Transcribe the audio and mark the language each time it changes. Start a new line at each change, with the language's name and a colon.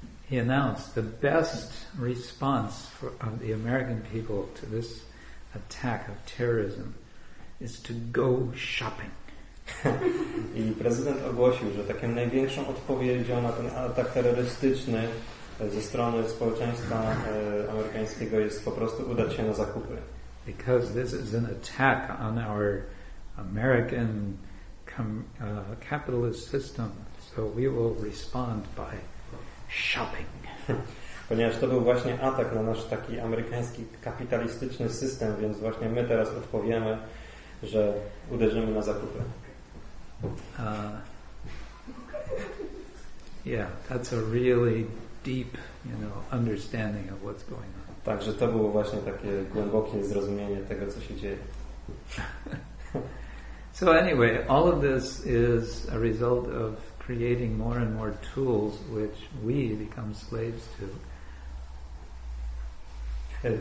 English: He announced the best response of the American people to this attack of terrorism is to go shopping.
Polish: I prezydent ogłosił, że taką największą odpowiedzią na ten atak terrorystyczny ze strony społeczeństwa amerykańskiego jest po prostu udać się na zakupy.
English: Because this is an attack on our American capitalist system, so we will respond by shopping.
Polish: Ponieważ to był właśnie atak na nasz taki amerykański kapitalistyczny system, więc właśnie my teraz odpowiemy, że uderzymy na zakupy.
English: Yeah, that's a really deep, you know, understanding of what's going on.
Polish: Także to było właśnie takie głębokie zrozumienie tego, co się dzieje.
English: So anyway, all of this is a result of creating more and more tools which we become slaves to.